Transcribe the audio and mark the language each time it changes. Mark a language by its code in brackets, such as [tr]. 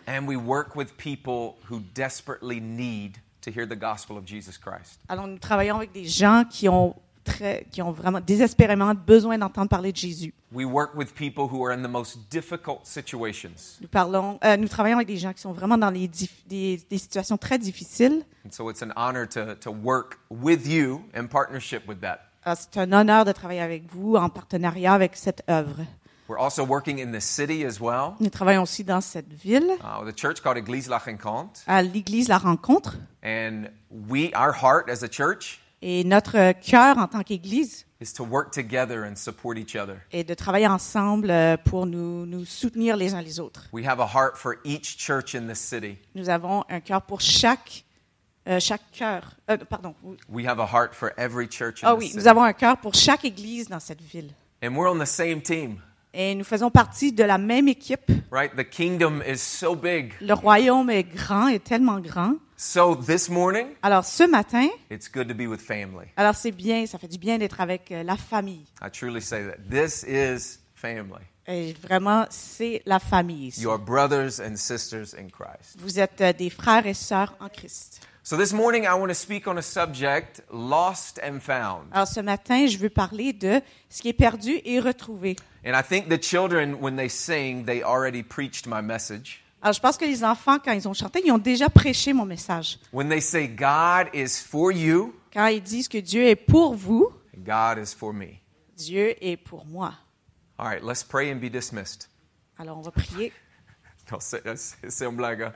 [en] And we work with people who desperately need to hear the gospel of Jesus Christ. [fr] Alors nous travaillons avec des gens qui ont vraiment désespérément besoin d'entendre parler de Jésus. [en] We work with people who are in the most difficult situations. [fr] Nous travaillons avec des gens qui sont vraiment dans des situations très difficiles. [en] And so it's an honor to work with you in partnership with that. [fr] Alors, c'est un honneur de travailler avec vous en partenariat avec cette œuvre. [en] We're also working in the city as well. [fr] Nous travaillons aussi dans cette ville. [en] The church called Église La Rencontre. [fr] À l'église La Rencontre. [en] And our heart as a church. [fr] Et notre cœur en tant qu'Église [en] is to work together and support each other. [fr] Est de travailler ensemble pour nous soutenir les uns les autres. [en] We have a heart for each church in this city. [fr] Nous avons un cœur pour chaque cœur. [en] We have a heart for every church in the city. [fr] Ah oui, nous avons un cœur pour chaque église dans cette ville. [en] And we're on the same team. [fr] Et nous faisons partie de la même équipe. [en] Right, the kingdom is so big. [fr] Le royaume est grand et tellement grand. [en] So this morning, [fr] alors ce matin, [en] it's good to be with family. [fr] Alors c'est bien, ça fait du bien d'être avec la famille. [en] I truly say that this is family. [fr] Et vraiment, c'est la famille. [en] You are brothers and sisters in Christ. [fr] Vous êtes des frères et sœurs en Christ. [en] So this morning, I want to speak on a subject, lost and found. [fr] Alors ce matin, je veux parler de ce qui est perdu et retrouvé. [en] And I think the children, when they sing, they already preached my message. [fr] Alors, je pense que les enfants, quand ils ont chanté, ils ont déjà prêché mon message. [en] When they say, God is for you, [fr] quand ils disent que Dieu est pour vous, [en] God is for me. [fr] Dieu est pour moi. [en] All right, let's pray and be dismissed. [fr] Alors, on va prier. Non, c'est une blague.